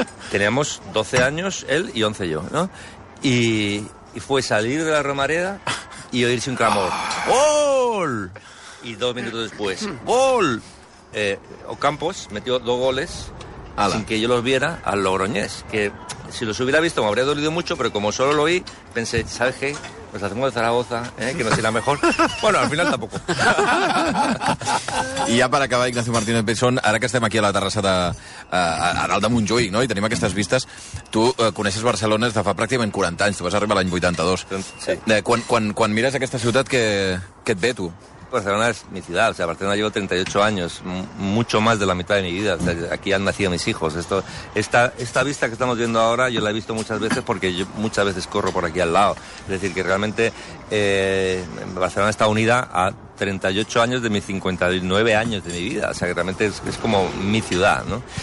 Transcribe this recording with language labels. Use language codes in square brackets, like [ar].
[es] Teníamos 12 años él y 11 yo, ¿no? Y fue salir de la Romareda y oírse un clamor, ¡gol! Y dos minutos después, ¡gol! Ocampos metió dos goles Ala. Sin que yo los viera al Logroñés. Que si los hubiera visto me habría dolido mucho, pero como solo lo oí, pensé, ¿sabes qué? Pues hacemos de Zaragoza, ¿eh? Que no será mejor. Bueno, al final tampoco. [ca] I ja per acabar, Ignacio Martínez Pessón, ara que estem aquí a la terrassa a dalt de Montjuïc, no?, i tenim aquestes vistes, tu coneixes Barcelona des de fa pràcticament 40 anys, tu vas arribar l'any 82. Sí. Quan mires aquesta ciutat, què et ve, tu? [es] Barcelona es mi ciudad, o sea, Barcelona llevo 38 años, mucho más de la mitad de mi vida, o sea, aquí han nacido mis hijos. Esta vista que estamos viendo ahora yo la he visto muchas veces porque yo muchas veces corro por aquí al lado, es decir, que realmente Barcelona está unida a 38 años de mis 59 años de mi vida, o sea, que realmente es como mi ciudad, ¿no?